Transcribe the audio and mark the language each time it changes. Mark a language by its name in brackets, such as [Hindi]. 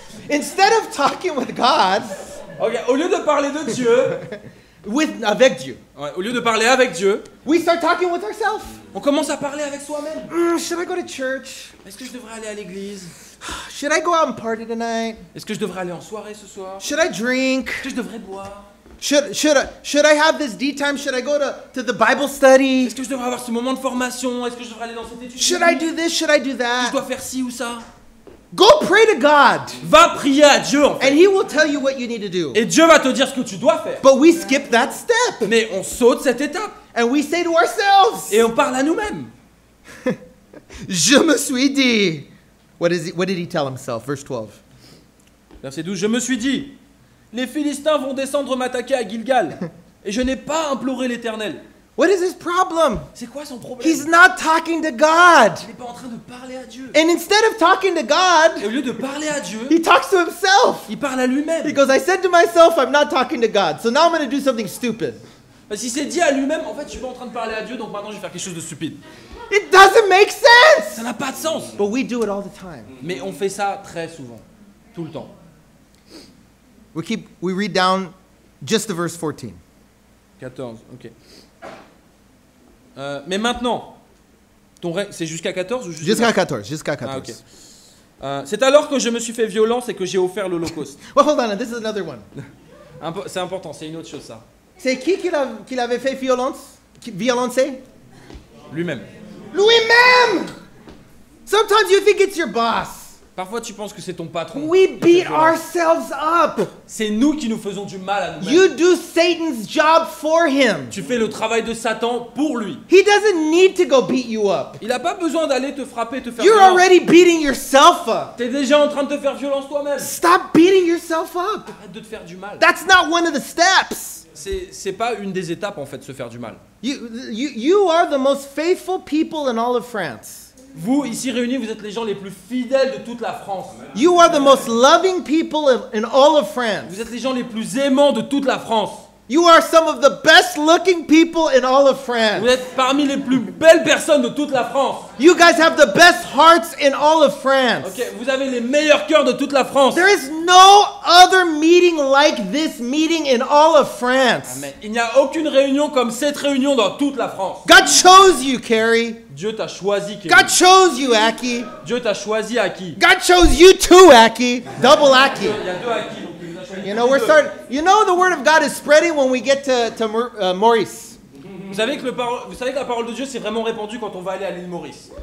[English] Instead of talking with God. [French] Ok, au lieu de parler de Dieu. Avec Dieu. Ouais, au lieu de parler avec Dieu. [English] We start talking with ourselves. [French] On commence à parler avec soi-même. [English] Mm, should I go to church? [French] Est-ce que je devrais aller à l'église? [English] Should I go out and party tonight? [French] Est-ce que je devrais aller en soirée ce soir? [English] Should I drink? [French] Est-ce que je devrais boire? [English] Should I have this D time? Should I go to the Bible study? [French] Est-ce que je devrais avoir ce moment de formation? Est-ce que je devrais aller dans cette étude? [English] Should I do this? Should I do that? [French] Je dois faire ci ou ça? [English] Go pray to God. [French] Va prier à Dieu. En fait. [English] And He will tell you what you need to do. [French] Et Dieu va te dire ce que tu dois faire. [English] But we skip that step. [French] Mais on saute cette étape. [English] And we say to ourselves. [French] Et on parle à nous-mêmes. Je me suis dit. [English] What did he tell himself? Verse 12. [French] Verset 12. Je me suis dit, les Philistins vont descendre m'attaquer à Gilgal, et je n'ai pas imploré l'Éternel. [English] What is his problem? [French] C'est quoi son problème? [English] He's not talking to God. [French] Il n'est pas en train de parler à Dieu. [English] And instead of talking to God, [French] et au lieu de parler à Dieu, [English] he talks to himself. [French] Il parle à lui-même. [English] He goes, I said to myself, I'm not talking to God, so now I'm going to do something stupid. [French] Parce qu'il s'est dit à lui-même, en fait, je suis pas en train de parler à Dieu, donc maintenant je vais faire quelque chose de stupide. [English] It doesn't make sense. [French] Ça n'a pas de sens. [English] But we do it all the time. [French] Mais on fait ça très souvent, tout le temps. [English] We read down just the verse 14. [French] 14, ok. Mais maintenant, c'est jusqu'à 14 ou jusqu'à 14. [English] Ah, okay. [French] C'est alors que je me suis fait violence et que j'ai offert l'Holocauste. [English] Well, hold on, this is another one. [French] C'est important, c'est une autre chose ça. C'est qui l'avait fait violence, violencer? Lui-même. Lui-même. [English] Sometimes you think it's your boss. [French] Parfois tu penses que c'est ton patron. [English] We beat ourselves up. [French] C'est nous qui nous faisons du mal à nous-mêmes. [English] You do Satan's job for him. [French] Tu fais le travail de Satan pour lui. [English] He doesn't need to go beat you up. [French] Il a pas besoin d'aller te frapper, te faire. [English] You're [French] violence. [English] Already beating yourself up. [French] T'es déjà en train de te faire violence toi-même. [English] Stop beating yourself up. [French] Arrête de te faire du mal. [English] That's not one of the steps. [French] C'est pas une des étapes en fait, se faire du mal. [English] You are the most faithful people in all of France. [French] Vous ici réunis, vous êtes les gens les plus fidèles de toute la France. [English] You are the most loving people in all of France. [French] Vous êtes les gens les plus aimants de toute la France. [English] You are some of the best looking people in all of France. [French] Vous êtes parmi les plus belles personnes de toute la France. [English] You guys have the best hearts in all of France. [French] Okay, vous avez les meilleurs cœurs de toute la France. [English] There is no other meeting like this meeting in all of France. Amen. [French] Il n'y a aucune réunion comme cette réunion dans toute la France. [English] God chose you, Carrie. [French] Dieu t'a choisi, Carrie. [English] God chose you, Aki. [French] Dieu t'a choisi, Aki. [English] God chose you too, Aki. Double Aki. [French] Il y a deux Aki. [English] You know, we're starting. You know, the word of God is spreading when we get to Maurice. [French] Vous savez que la parole de Dieu s'est vraiment répandue quand on va aller à l'île Maurice.